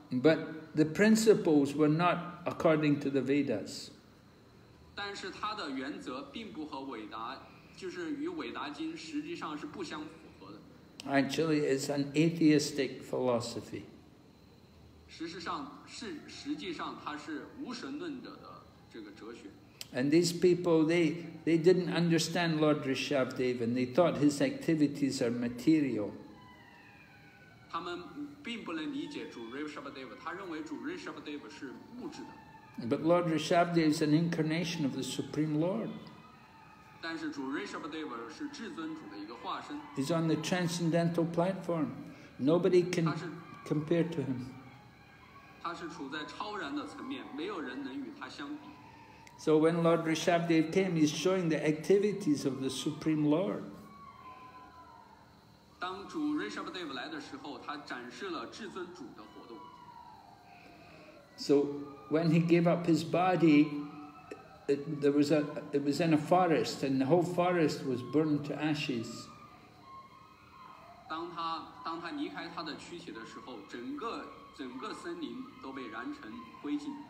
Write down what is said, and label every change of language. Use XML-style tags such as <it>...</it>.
<en>But the principles were not according to the Vedas.</en> <zh>但是他的原则并不和伟达，就是与伟达经实际上是不相符。</zh> <en>Actually, it's an atheistic philosophy.</en> <zh>实际上它是无神论者的这个哲学。</zh> <en>And these people, they didn't understand Lord Rishabhdev, and they thought his activities are material.</en> <zh>他们并不能理解主 Rishabhdev, 他认为主 Rishabhdev 是物质的。</zh> <en>But Lord Rishabhdev is an incarnation of the Supreme Lord.</en> <zh>但是主 Rishabhdev 是至尊主的一个化身。</zh> <en>He's on the transcendental platform. Nobody can compare to him.</en> <zh>他是处在超然的层面，没有人能与他相比。</zh> <en>So when Lord Rishabhdev came, he's showing the activities of the Supreme Lord.</en> <zh>当主 Rishabhdev 来的时候，他展示了至尊主的活动。</zh> <en>So when he gave up his body,It was in a forest, and the whole forest was burned to ashes.</en> <zh>当他离开他的躯体的时候，整个森林都被燃成灰烬。</zh>